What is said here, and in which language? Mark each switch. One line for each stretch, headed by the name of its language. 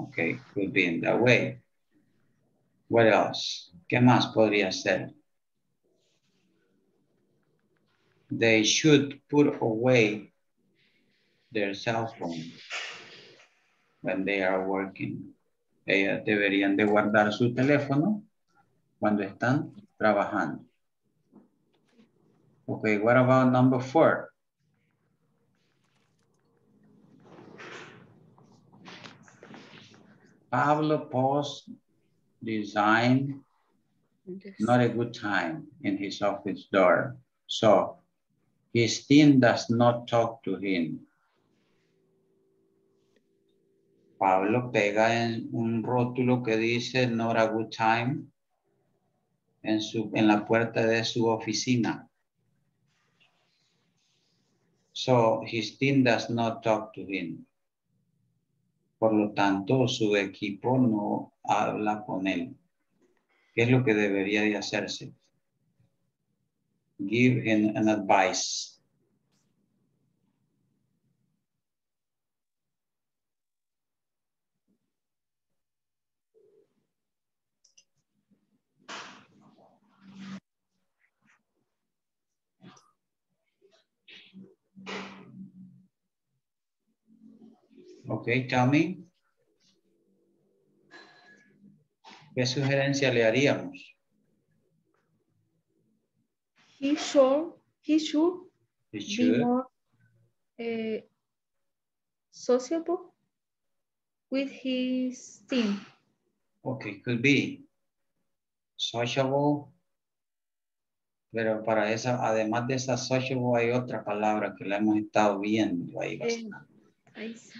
English: Okay, could be in that way. What else?
Spanish: ¿Qué más podría ser?
English: They should put away their cell phone when they are working.
Spanish: Ellas deberían de guardar su teléfono cuando están trabajando.
English: Okay, what about number four? Pablo Post designed not a good time in his office door. So his team does not talk to him.
Spanish: Pablo pega en un rótulo que dice
English: not a good time
Spanish: en su, en la puerta de su oficina.
English: So his team does not talk to him.
Spanish: Por lo tanto, su equipo no habla con él. ¿Qué es lo que debería de hacerse?
English: Give him an advice. Okay, tell me.
Spanish: ¿Qué sugerencia le haríamos?
English: He should be more sociable with his team. Okay, could be sociable.
Spanish: Pero para esa, además de esa sociable, hay otra palabra que la hemos estado viendo ahí bastante.